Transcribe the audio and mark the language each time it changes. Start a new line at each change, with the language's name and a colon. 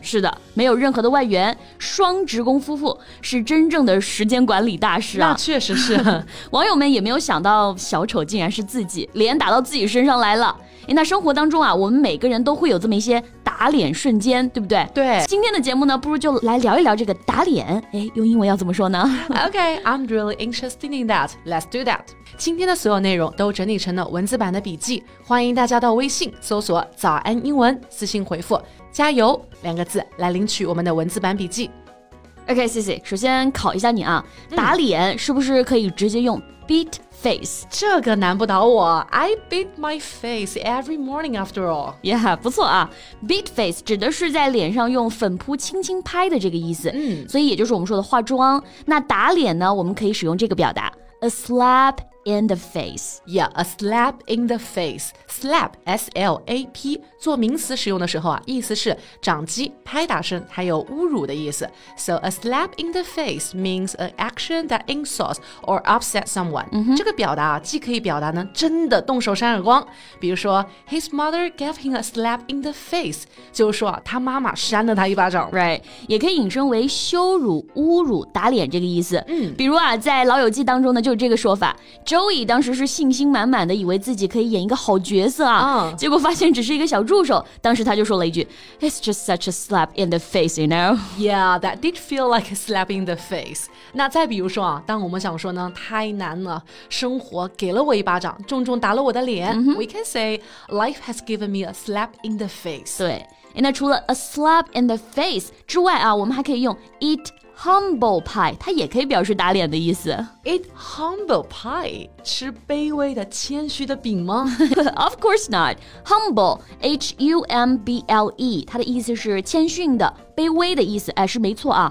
Chinese: 是的，没有任何的外援，双职工夫妇是真正的时间管理大师啊。那确实是，网友们也没有想到小丑竟然是自己，脸打到自己身上来了。那生活当中啊，我们每个人都会有这么一些打脸瞬间，对不对？对。今天的节目呢，不如就来聊一聊这个打脸。哎，用英文要怎么说呢？
English: Okay, I'm really interested in that. Let's do that.
Chinese: 今天的所有内容都整理成了文字版的笔记，欢迎大家到微信搜索早安英文，私信回复加油两个字来领取我们的文字版笔记。 Okay, Cici, 首先考一下你啊，打脸是不是可以直接用 beat face? 这个难不倒我。
English: I beat my face every morning after all.
Chinese: Yeah, 不错啊。 beat face 指的是在脸上用粉扑轻轻拍的这个意思。嗯，所以也就是我们说的化妆。那打脸呢，我们可以使用这个表达 a slap in the face.
English: Yeah, a slap in the face.
Chinese: Slap, S-L-A-P, 做名词使用的时候啊，意思是掌击、拍打声，还有侮辱的意思。
English: So a slap in the face means an action that insults or upsets someone. Mm-hmm.
Chinese: 这个表达啊，既可以表达呢真的动手扇耳光，比如说
English: his mother gave him a slap in the face,
Chinese: 就是说啊，他妈妈扇了他一巴掌。 Right, 也可以引申为羞辱、侮辱、打脸这个意思。嗯，比如啊，在老友记当中呢，就是这个说法。Joey 当时是信心满满的，以为自己可以演一个好角色啊，结果发现只是一个小助手。当时他就说了一句
English: It's just such a slap in the face, you know? Yeah, that did feel like a slap in the face.
Chinese: 那再比如说啊，当我们想说呢，太难了，生活给了我一巴掌，重重打了我的脸、 mm-hmm.
English: We can say, life has given me a slap in the face.
Chinese: 对，那除了 a slap in the face 之外啊，我们还可以用 eat humble pie, 它也可以表示打脸的意思。 Eat humble pie, 吃卑微的谦虚的饼吗？
English: Of course not.
Chinese: Humble, H-U-M-B-L-E, 它的意思是谦逊的、卑微的意思，哎，是没错啊。